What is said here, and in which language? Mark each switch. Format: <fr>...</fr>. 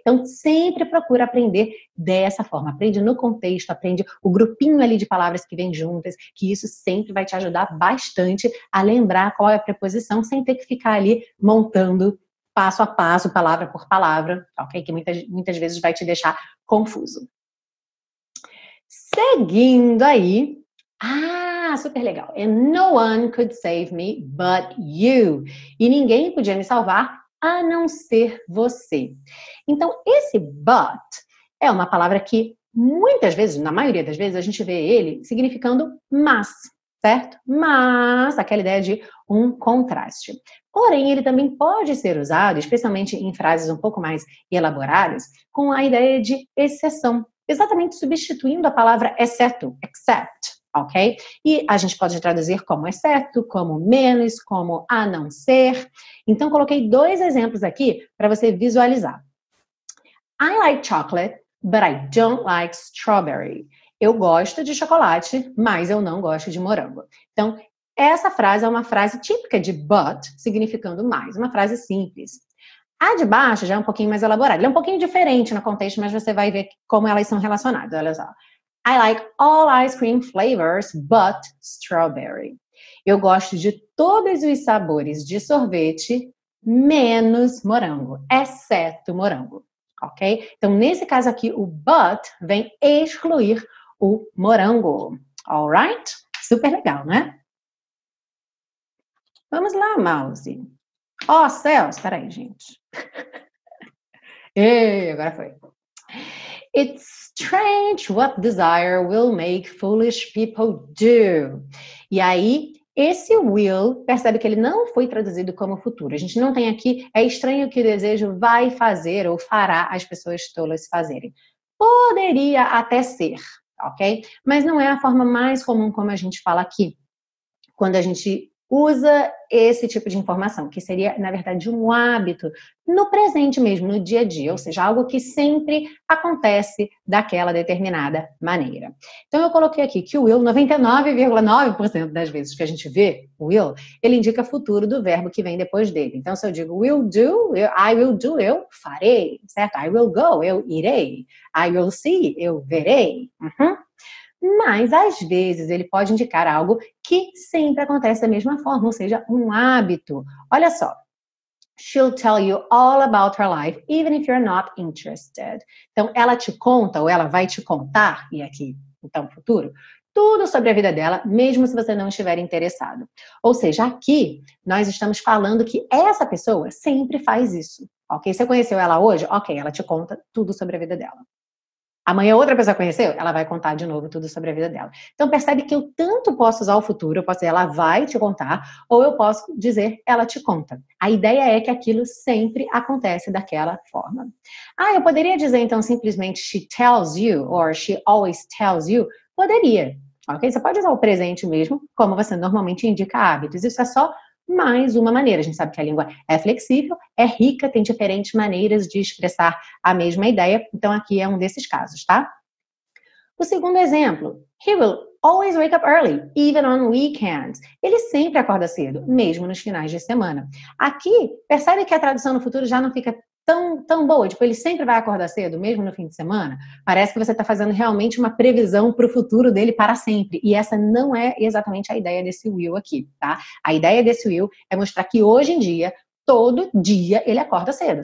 <pt>Então, sempre procura aprender dessa forma. Aprende no contexto, aprende o grupinho ali de palavras que vem juntas, que isso sempre vai te ajudar bastante a lembrar qual é a preposição, sem ter que ficar ali montando passo a passo, palavra por palavra, ok? Que muitas vezes vai te deixar confuso. Seguindo aí... Ah, super legal.</pt> <en>And no one could save me but you.</en> <pt>E ninguém podia me salvar a não ser você. Então, esse but é uma palavra que muitas vezes, na maioria das vezes, a gente vê ele significando mas, certo? Mas, aquela ideia de um contraste. Porém, ele também pode ser usado, especialmente em frases um pouco mais elaboradas, com a ideia de exceção. Exatamente substituindo a palavra exceto, except. Ok? E a gente pode traduzir como exceto, como menos, como a não ser. Então, coloquei dois exemplos aqui para você visualizar.</pt> <en>I like chocolate, but I don't like strawberry.</en> <pt>Eu gosto de chocolate, mas eu não gosto de morango. Então, essa frase é uma frase típica de but, significando mais. Uma frase simples. A de baixo já é um pouquinho mais elaborada. Ela é um pouquinho diferente no contexto, mas você vai ver como elas são relacionadas. Olha só.</pt> <en>I like all ice cream flavors but strawberry.</en> <pt>Eu gosto de todos os sabores de sorvete menos morango, exceto morango, ok? Então, nesse caso aqui, o but vem excluir o morango, all right? Super legal, né? Vamos lá, mouse. Ó, céus, peraí, gente. Ei, agora foi.</pt> <en>It's strange what desire will make foolish people do.</en> <pt>E aí, esse will, percebe que ele não foi traduzido como futuro. A gente não tem aqui, é estranho que o desejo vai fazer ou fará as pessoas tolas fazerem. Poderia até ser, ok? Mas não é a forma mais comum como a gente fala aqui. Quando a gente usa esse tipo de informação, que seria, na verdade, um hábito no presente mesmo, no dia a dia, ou seja, algo que sempre acontece daquela determinada maneira. Então, eu coloquei aqui que o will, 99,9% das vezes que a gente vê o will, ele indica futuro do verbo que vem depois dele. Então, se eu digo will do,</pt> <en>I will do,</en> <pt>eu farei, certo?</pt> <en>I will go,</en> <pt>eu irei.</pt> <en>I will see,</en> <pt>eu verei.</pt> <en>Uhum.</en> <pt>Mas, às vezes, ele pode indicar algo que sempre acontece da mesma forma, ou seja, um hábito. Olha só.</pt> <en>She'll tell you all about her life, even if you're not interested.</en> <pt>Então, ela te conta, ou ela vai te contar, e aqui, então, futuro, tudo sobre a vida dela, mesmo se você não estiver interessado. Ou seja, aqui, nós estamos falando que essa pessoa sempre faz isso. Ok? Você conheceu ela hoje? Ok, ela te conta tudo sobre a vida dela. Amanhã outra pessoa conheceu, ela vai contar de novo tudo sobre a vida dela. Então percebe que eu tanto posso usar o futuro, eu posso dizer ela vai te contar, ou eu posso dizer ela te conta. A ideia é que aquilo sempre acontece daquela forma. Ah, eu poderia dizer então simplesmente</pt> <en>she tells you, or she always tells you?</en> <pt>Poderia, ok? Você pode usar o presente mesmo, como você normalmente indica hábitos, isso é só mais uma maneira. A gente sabe que a língua é flexível, é rica, tem diferentes maneiras de expressar a mesma ideia. Então, aqui é um desses casos, tá? O segundo exemplo.</pt> <en>He will always wake up early, even on weekends.</en> <pt>Ele sempre acorda cedo, mesmo nos finais de semana. Aqui, percebe que a tradução no futuro já não fica tão boa. Tipo, ele sempre vai acordar cedo, mesmo no fim de semana. Parece que você está fazendo realmente uma previsão para o futuro dele para sempre. E essa não é exatamente a ideia desse will aqui, tá? A ideia desse will é mostrar que hoje em dia, todo dia, ele acorda cedo.</pt>